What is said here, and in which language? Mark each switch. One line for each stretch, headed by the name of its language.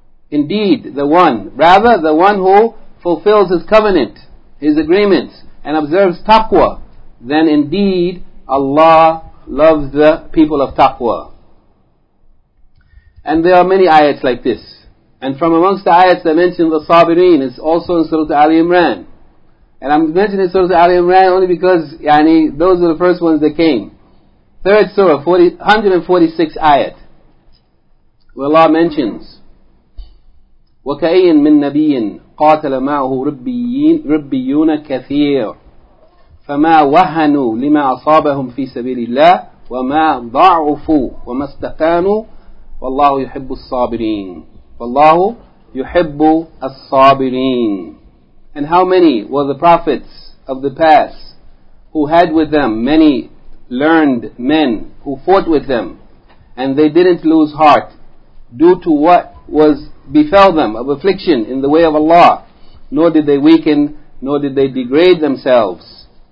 English: Indeed, the one who fulfills his covenant, his agreements, and observes taqwa, then indeed Allah loves the people of taqwa. And there are many ayats like this. And from amongst the ayats that mention the sabireen is also in Surah Ali Imran. And I'm mentioning Surah Ali Imran only because yani those are the first ones that came. Third Surah, 146th ayat, where Allah mentions,
Arabic: وَكَأَيِّن مِن نَبِيٍ قَاتَلَ مَعَهُ رَبِّيُّونَ كَثِيرٌ فَمَا وَهَنُوا لِمَا أَصَابَهُمْ فِي سَبِيلِ اللَّهِ وَمَا ضَعُفُوا وَمَا اسْتَكَانُوا وَاللَّهُ يُحِبُّ الصَّابِرِينَ. وَاللَّهُ يُحِبُّ الصَّابِرِينَ.
English: And how many were the prophets of the past who had with them many learned men who fought with them, and they didn't lose heart due to what was befell them of affliction in the way of Allah, nor did they weaken, nor did they degrade themselves.